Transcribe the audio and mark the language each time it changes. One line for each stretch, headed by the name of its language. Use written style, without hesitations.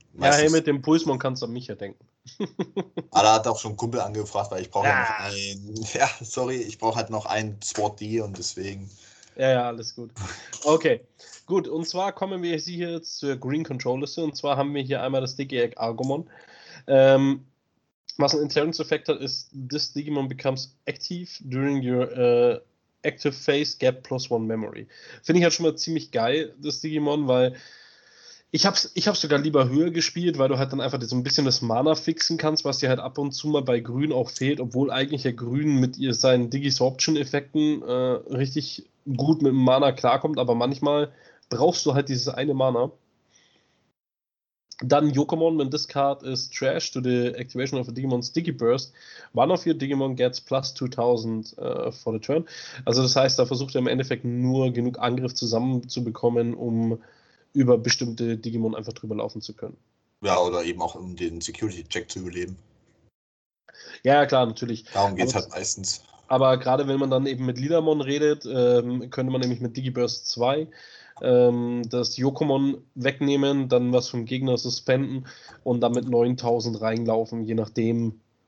German: meistens. Ja, hey, mit dem Pulsmon kannst du an mich ja denken. Ah, da hat auch schon ein Kumpel angefragt, weil ich brauche ja noch einen. Ja, sorry, ich brauche halt noch einen Sport D und deswegen. Ja, alles gut. Okay, gut. Und zwar kommen wir hier jetzt zur Green Control Liste. Und zwar haben wir hier einmal das Digi-Egg Agumon. Was ein Interference Effect hat, ist,
English: this Digimon becomes active during your active phase, get +1 memory.
German: Finde ich halt schon mal ziemlich geil, das Digimon, weil ich hab's sogar lieber höher gespielt, weil du halt dann einfach so ein bisschen das Mana fixen kannst, was dir halt ab und zu mal bei Grün auch fehlt, obwohl eigentlich ja Grün mit seinen Digisorption-Effekten richtig gut mit dem Mana klarkommt, aber manchmal brauchst du halt dieses eine Mana.
English: Dann Yokomon, when this card is trashed to the activation of a Digimon's Digiburst, one of your Digimon gets +2000 for the turn.
German: Also das heißt, da versucht er im Endeffekt nur genug Angriff zusammenzubekommen, um über bestimmte Digimon einfach drüber laufen zu können. Ja, oder eben auch um den Security-Check zu überleben. Ja, klar, natürlich. Darum geht es halt meistens. Aber gerade wenn man dann eben mit Lidamon redet, könnte man nämlich mit Digiburst 2 das Yokomon wegnehmen, dann was vom Gegner suspenden und damit 9000 reinlaufen, je nachdem.